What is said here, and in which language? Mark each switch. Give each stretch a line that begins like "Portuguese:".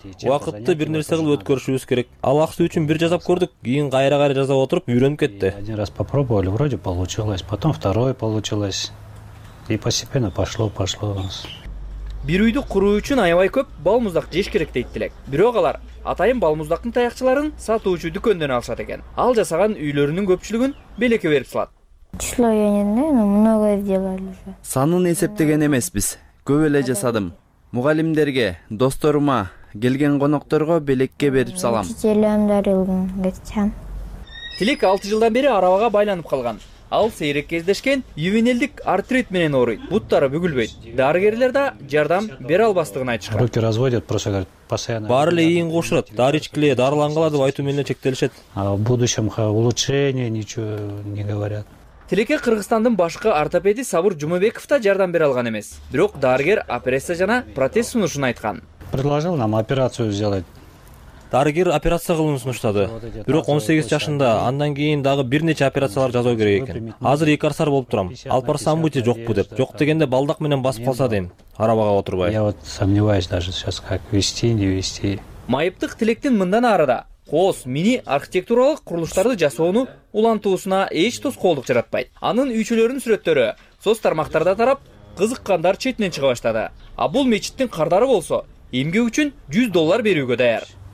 Kyrgyz: Убакытты бир нерсе кылып өткөрүшүбүз керек. Ал акча үчүн бир жасап көрдүк, кийин кайра-кайра жасап отуруп үйрөнүп кетти.
Russian: Один раз попробовали, вроде получилось, потом второе получилось. И постепенно пошло.
Kyrgyz: Бир үйдү куруу үчүн аябай көп балмуздак жеш керек дейт Тилек. Бирок алар атайын балмуздактын таякчаларын сатуучу дүкөндөн алышат экен. Ал жасаган үйлөрүнүн көпчүлүгүн белеке берип салат. Санын эсептеген эмеспиз. Көп эле жасадым. Мугалимдерге, досторума, келген конокторго белекке берип салам. Тилек 6 жылдан бери арабага байланып калган. Ал сейрек кездешкен ювенилдик артрит менен ооруйт. Буттары бүгүлбөйт. Дарыгерлер да жардам бере албастыгын айтышкан.
Russian: Руки разводят, просто говорят, постоянно.
Kyrgyz: Баары эле ийин кошурат, дары ичкиле, дарылангыла деп айтуу менен чектелишет.
Russian: А в будущем улучшение ничего не говорят.
Kyrgyz: Тилекке Кыргызстандын башкы ортопеди Сабыр Жумабеков да жардам бере алган эмес. Бирок дарыгер операция жана протез сунушун айткан.
Russian: Предложил нам операцию сделать.
Kyrgyz: Дарыгер операция кылууну сунуштады. Бирок 18 жашында, андан кийин дагы бир нече операциялар жасоо керек экен. Азыр эки арсар болуп турам. Алпарсам бути жокпу деп. Жок дегенде балдак менен басып калса дейм. Арабага отурбай.
Russian: Я вот сомневаюсь даже сейчас как вести, не вести.
Kyrgyz: Майыптык Тилектин мындан арыда кооз мини архитектуралык курулуштарды жасоону улантуусуна эч тоскоолдук жаратпайт. Анын үйчүлөрүнүн сүрөттөрү соц тармактарда тарап, кызыккандар четинен чыга баштады. А бул мечиттин кардары болсо, эмгек үчүн $100 берүүгө даяр.